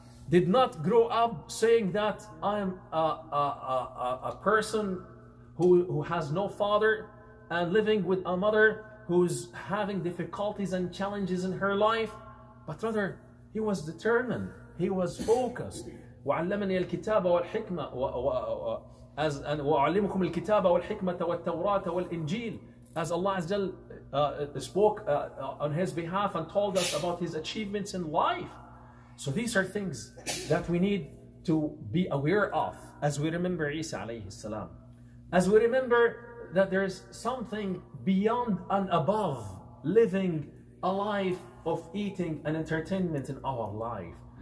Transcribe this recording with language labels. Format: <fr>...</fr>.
<en>Did not grow up saying that I'm a person who has no father and living with a mother who's having difficulties and challenges in her life, but rather he was determined, he was focused.</en> <ar>وعلمني الكتاب والحكمة وأعلمكم الكتاب والحكمة والتوراة والإنجيل.</ar> <en>As Allah Azza Jal spoke on his behalf and told us about his achievements in life. So these are things that we need to be aware of as we remember Isa alayhi salam. As we remember that there is something beyond and above living a life of eating and entertainment in our life.</en>